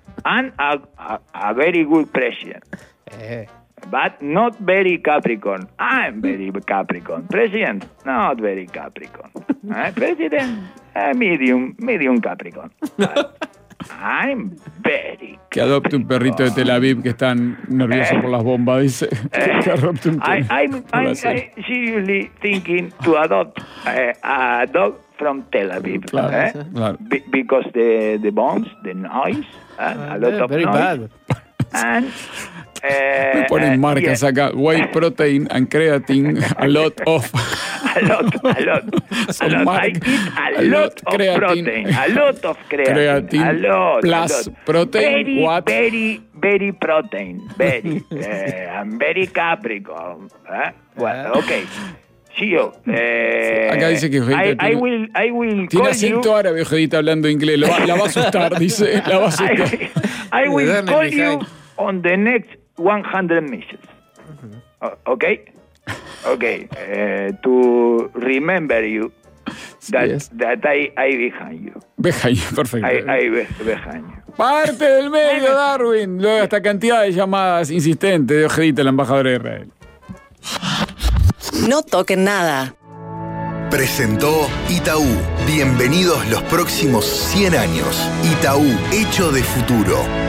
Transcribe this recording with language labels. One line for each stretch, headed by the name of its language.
English: And a very good president. But not very Capricorn. I'm very Capricorn. President, not very Capricorn. President, medium Capricorn. I'm very Capricorn.
Spanish: Que adopte un perrito de Tel Aviv que están nervioso por las bombas, dice. Que adopte un perrito.
English: I'm seriously thinking to adopt a dog from Tel Aviv.
Spanish: Claro, claro.
English: Because the bombs, the noise, a lot of very noise. Bad. And,
Spanish: me ponen marcas acá.
English: Whey protein and creatine, a lot of... I eat a lot of protein, a lot of creatine, plus protein. Very protein. I'm very Capricorn. Okay. Sí,
Spanish: acá dice que
English: Ojedita I will
Spanish: tiene acento árabe, Ojedita, hablando inglés. La va a asustar, dice. La va a asustar.
English: I will call you on the next 100 missions. Uh-huh. Okay. Okay, to remember you, that I behind you. Behind you, perfecto. I behind you.
Spanish: Parte del medio, Darwin. Luego esta cantidad de llamadas insistentes de Ojedita, la embajadora de Israel. No toquen nada. Presentó Itaú. Bienvenidos los próximos 100 años. Itaú, hecho de futuro.